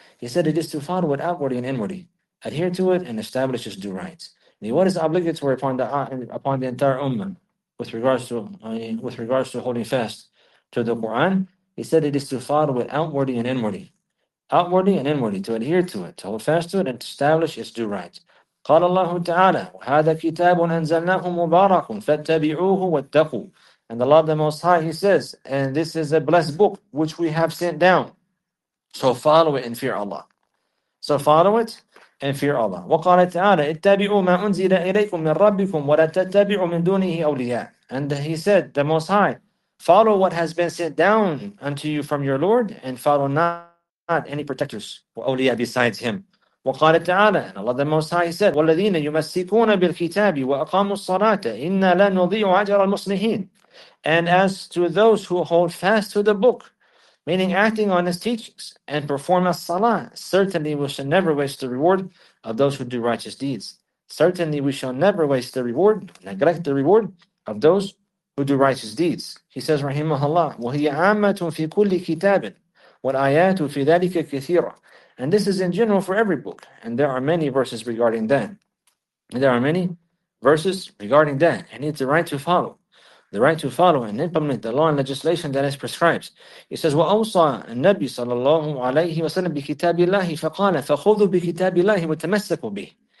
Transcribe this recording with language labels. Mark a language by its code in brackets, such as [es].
[en] He said it is to follow it outwardly and inwardly, adhere to it and establish its due rights. What is obligatory upon the entire ummah with regards to holding fast to the Quran? He said it is to follow it outwardly and inwardly. Outwardly and inwardly, to adhere to it, to hold fast to it, and to establish its due rights. [ar] قال الله تعالى وهذا كتاب أنزلناه مبارك فاتبعوه واتقوا. [en] And Allah the Most High, He says, and this is a blessed book which we have sent down, so follow it and fear Allah. So follow it and fear Allah. [ar] وقال تعالى اتبعوا ما أنزل إليكم من ربكم ولا تتبعوا من دونه أولياء. [en] And He said, the Most High, follow what has been sent down unto you from your Lord, and follow not any protectors or awliya besides Him. [ar] وقال تعالى [en] and Allah the Most High, He said, [ar] والذين يمسكون بالكتاب وأقاموا الصلاة إن لا نضيع أجر المصلحين. [en] And as to those who hold fast to the book, meaning acting on His teachings and perform a salah, certainly we shall never waste the reward of those who do righteous deeds. Certainly we shall never waste the reward, neglect the reward of those who do righteous deeds. He says, [ar] Rahimahullah, وَهِيَ عَامَّةٌ فِي كُلِّ كِتَابٍ وَالْآيَاتُ فِي ذَلِكَ كَثِيرًا. [en] And this is in general for every book. And there are many verses regarding that. There are many verses regarding that. And it's the right to follow. The right to follow and implement the law and legislation that is prescribed. He says, [ar] وَأَوْصَى النَّبِي صَلَى اللَّهُ عَلَيْهِ وَسَلَّمْ بِكِتَابِ اللَّهِ فَقَالَ فَخُذُوا بِكِتَابِ اللَّهِ وَتَمَسَّكُوا بِهِ.